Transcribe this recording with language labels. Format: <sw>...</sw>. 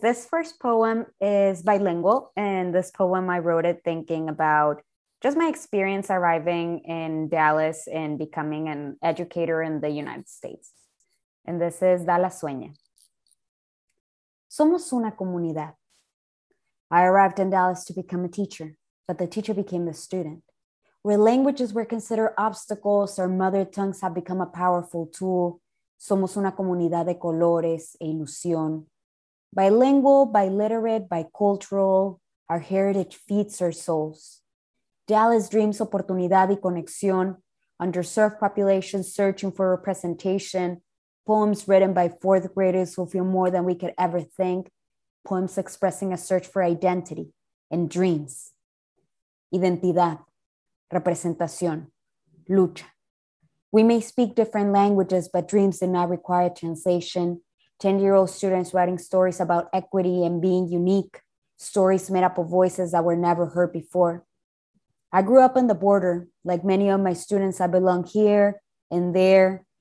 <en>This first poem is bilingual. And this poem, I wrote it thinking about just my experience arriving in Dallas and becoming an educator in the United States. And this is Dallas Sueña.</en> <es>Somos una comunidad.</es> <en>I arrived in Dallas to become a teacher, but the teacher became the student. Where languages were considered obstacles, our mother tongues have become a powerful tool.</en> <es>Somos una comunidad de colores e ilusión.</es> <en>Bilingual, biliterate, bicultural, our heritage feeds our souls. Dallas dreams</en> <es>oportunidad y conexión,</es> <en>underserved populations searching for representation, poems written by fourth graders who feel more than we could ever think, poems expressing a search for identity and dreams.</en> <es>Identidad, representación, lucha.</es> <en>We may speak different languages, but dreams do not require translation. 10-year-old students writing stories about equity and being unique, stories made up of voices that were never heard before. I grew up on the border. Like many of my students, I belong here and there.</en>